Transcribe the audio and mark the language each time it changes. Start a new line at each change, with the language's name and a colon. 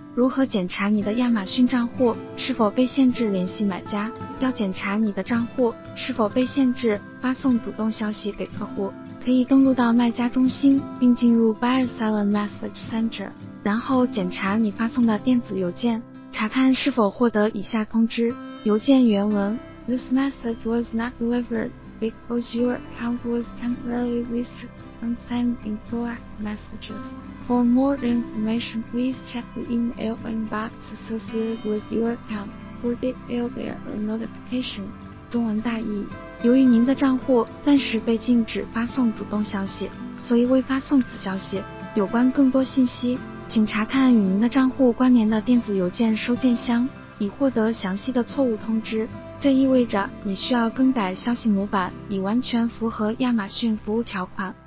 Chinese: 如何检查你的亚马逊账户是否被限制联系买家？要检查你的账户是否被限制发送主动消息给客户，可以登录到卖家中心并进入 Buyer Seller Message Center， 然后检查你发送的电子邮件，查看是否获得以下通知。邮件原文：
English: This message was not delivered because your account was temporarily restricted from sending proactive messages. For more information, please check the email inbox associated with your account for detail there a notification.
Chinese: 中文大意：由于您的账户暂时被禁止发送主动消息，所以未发送此消息。有关更多信息，请查看与您的账户关联的电子邮件收件箱，以获得详细的错误通知。这意味着你需要更改消息模板，以完全符合亚马逊服务条款。